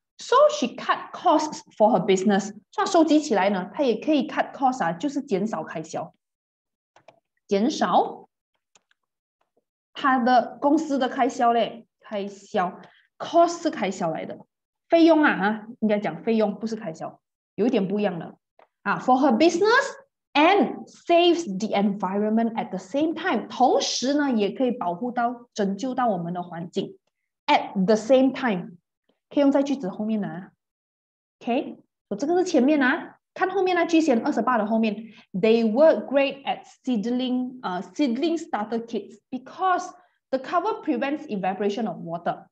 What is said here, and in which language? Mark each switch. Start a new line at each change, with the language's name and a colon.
English: So she cut costs for her business.
Chinese: 算收集起来呢，她也可以
English: cut costs
Chinese: 啊，就是减少开销，减少她的公司的开销嘞。开销 cost 是开销来的，费用啊，应该讲费用不是开销，有点不一样的啊。
English: For her business and saves the environment at the same time.
Chinese: 同时呢，也可以保护到、拯救到我们的环境。
English: At the same time.
Chinese: 可以用在句子后面的、啊、，OK， 我这个是前面啊，看后面那句先，28的后面 ，
English: They work great at seedling starter kits because the cover prevents evaporation of water。